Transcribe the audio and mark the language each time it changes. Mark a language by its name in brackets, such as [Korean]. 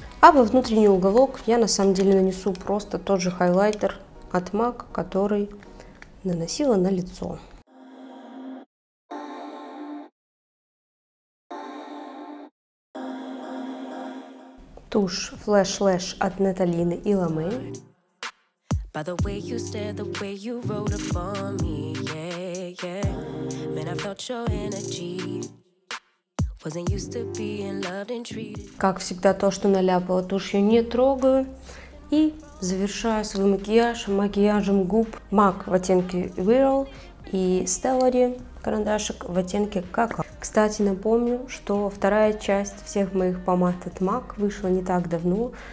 [Russian] А во внутренний уголок я на самом деле нанесу просто тот же хайлайтер от MAC, который наносила на лицо. Тушь Flash Lash от Наталины и Ламе. [English] By the way you stare, the way you wrote upon me, yeah, yeah. Man, I felt your energy. Wasn't used to being loved and treated. [Russian] Как всегда, то, что наляпала тушь, я не трогаю. И завершаю свой макияж макияжем губ. MAC в оттенке Viral и Stellary карандашик в оттенке Cacao. Кстати, напомню, что вторая часть всех моих помад от MAC вышла не так давно.